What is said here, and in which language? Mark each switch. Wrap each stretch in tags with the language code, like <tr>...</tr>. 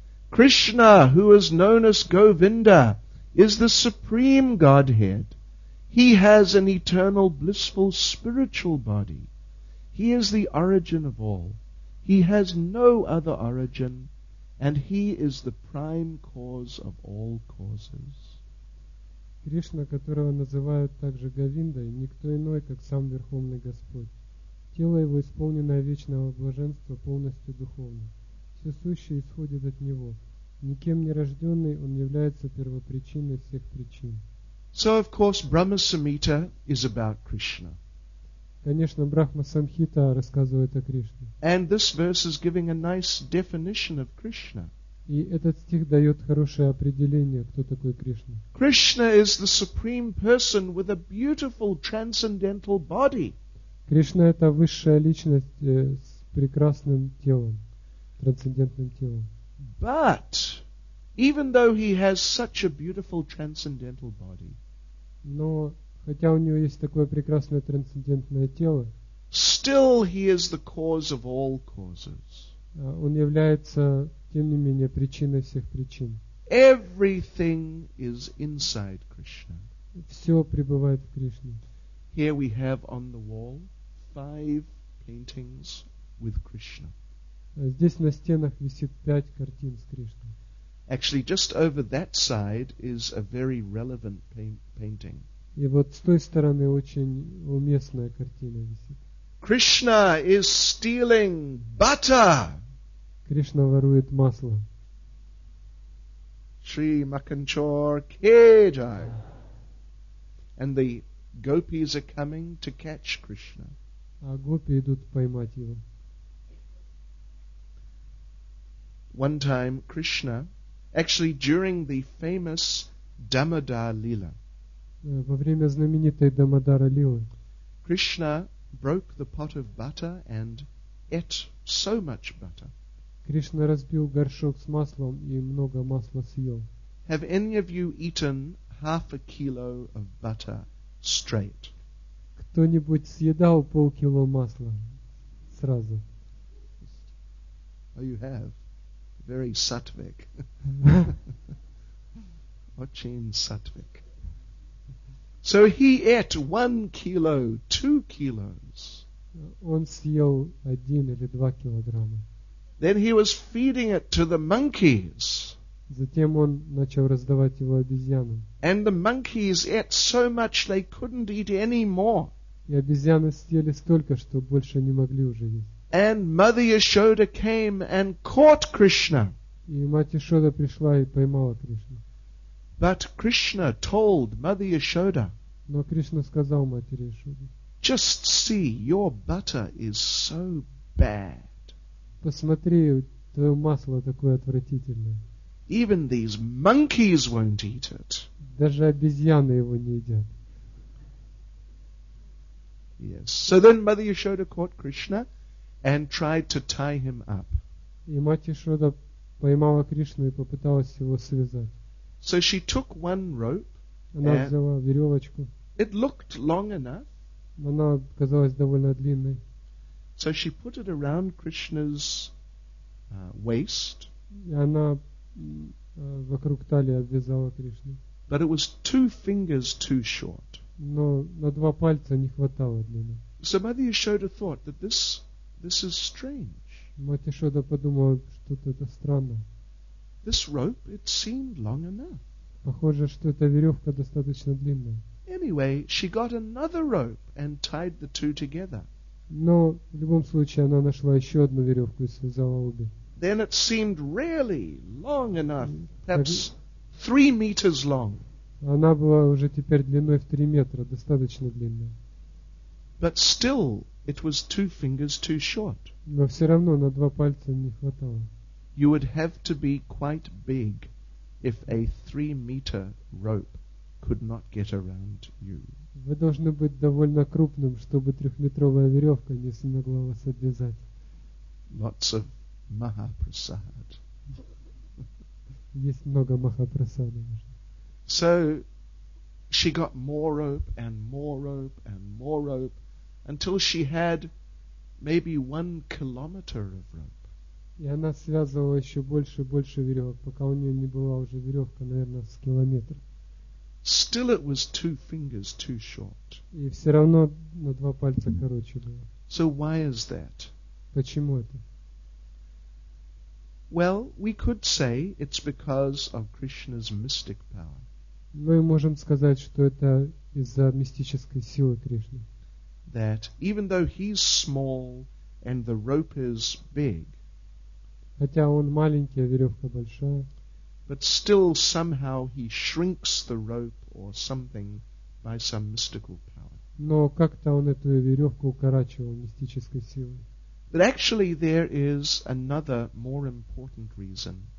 <en>Krishna, who is known as Govinda, is the Supreme Godhead. He has an eternal blissful spiritual body. He is the origin of all. He has no other origin, and he is the prime cause of all causes.</en> <ru>Кришна, которого называют также Говиндой, никто иной, как сам Верховный Господь. Тело его исполненное вечного блаженства, полностью духовно. Все сущее исходит от него. Никем не рожденный, он является первопричиной всех причин.</ru> <en>So of course, Brahma Samhita is about Krishna.</en> <ru>Конечно, Брахма Самхита рассказывает о Кришне.</ru> <en>And this verse is giving a nice definition of Krishna.</en> <ru>И этот стих дает хорошее определение, кто такой Кришна.</ru> <en>Krishna is the supreme person with a beautiful transcendental body.</en> <ru>Кришна – это высшая личность с прекрасным телом, трансцендентным телом.</ru> <en>But even though he has such a beautiful transcendental body,</en> <ru>но хотя у него есть такое прекрасное трансцендентное тело,</ru> <en>still he is the cause of all causes.</en> <ru>Он является, тем не менее, причиной всех причин.</ru> <en>Everything is inside Krishna.</en> <ru>Все пребывает в Кришне.</ru> <en>Here we have on the wall 5 paintings with Krishna.</en> <ru>Здесь на стенах висит 5 картин с Кришной.</ru> <en>Actually, just over that side is a very relevant painting.</en> <ru>И вот с той стороны очень уместная картина висит.</ru> <en>Krishna is stealing butter.</en> <ru>Кришна ворует масло.</ru> <hi>Shri Makanchor Kejai.</hi> <en>And the gopis are coming to catch Krishna.</en> <ru>А гопи идут поймать его.</ru> <en>One time Krishna, actually during the famous Damodar Lila.</en> <ru>Во время знаменитой Дамодара Лилы.</ru> <en>Krishna broke the pot of butter and ate so much butter.</en> <ru>Кришна разбил горшок с маслом и много масла съел.</ru> <en>Have any of you eaten half a kilo of butter straight?</en> <ru>Кто-нибудь съедал полкило масла сразу?</ru> <en>Oh, you have. Very sattvic.</en> <ru>Очень сатвик.</ru> <en>So he ate 1 kilo, 2 kilos.</en> <ru>Он съел 1 или 2 килограмма.</ru> <en>Then he was feeding it to the monkeys.</en> <ru>Затем он начал раздавать его обезьянам.</ru> <en>And the monkeys ate so much they couldn't eat any more.</en> <ru>И обезьяны съели столько, что больше не могли уже есть.</ru> <en>And Mother Yashoda came and caught Krishna.</en> <ru>И мать Яшода пришла и поймала Кришну.</ru> <en>But Krishna told Mother Yashoda.</en> <ru>Но Кришна сказал матери Яшоде.</ru> <en>Just see, your butter is so bad.</en> <ru>Посмотри, твое масло такое отвратительное.</ru> <en>Even these monkeys won't eat it.</en> <ru>Даже обезьяны его не едят.</ru> <en>Yes. So then Mother Yashoda caught Krishna and tried to tie him up.</en> <ru>И мать Яшода поймала Кришну и попыталась его связать.</ru> <en>So she took one rope.</en> <ru>Она взяла веревочку.</ru> <en>It looked long enough.</en> <ru>Она казалась довольно длинной.</ru> <en>So she put it around Krishna's waist.</en> <ru>И она вокруг талии обвязала Кришну.</ru> <en>But it was 2 fingers too short.</en> <ru>Но на 2 пальца не хватало длины.</ru> <en>So Mother Yashoda thought that this is strange.</en> <ru>Мать Яшода подумала, что-то это странно.</ru> <en>This rope, it seemed long enough.</en> <ru>Похоже, что эта веревка достаточно длинная.</ru> <en>Anyway, she got another rope and tied the two together.</en> <ru>Но в любом случае она нашла еще одну веревку и связала обе.</ru> <en>Then it seemed really long enough, perhaps 3 meters long.</en> <ru>Она была уже теперь длиной в 3 метра, достаточно длинная.</ru> <en>But still, it was 2 fingers too short.</en> <ru>Но все равно на 2 пальца не хватало.</ru> <en>You would have to be quite big if a 3-meter rope could not get around you.</en> <ru>Вы должны быть довольно крупным, чтобы 3-метровая веревка не смогла вас обвязать.</ru> <en>Lots of Mahaprasad.</en> <ru>Есть много Махапрасада.</ru> <en>So she got more rope and more rope and more rope until she had maybe 1 kilometer of rope.</en> <ru>И она связывала еще больше и больше веревок, пока у нее не была уже веревка, наверное, с километр.</ru> <en>Still it was 2 fingers too short.</en> <ru>И все равно на 2 пальца короче было.</ru> <en>So why is that?</en> <ru>Почему это?</ru> <en>Well, we could say it's because of Krishna's mystic power.</en> <ru>Мы можем сказать, что это из-за мистической силы Кришны.</ru> <en>That even though he's small and the rope is big.</en> <ru>Хотя он маленький, а веревка большая.</ru> <en>But still somehow he shrinks the rope or something by some mystical power.</en> <ru>Но как-то он эту веревку укорачивал мистической силой.</ru> <en>But actually there is another more important reason.</en>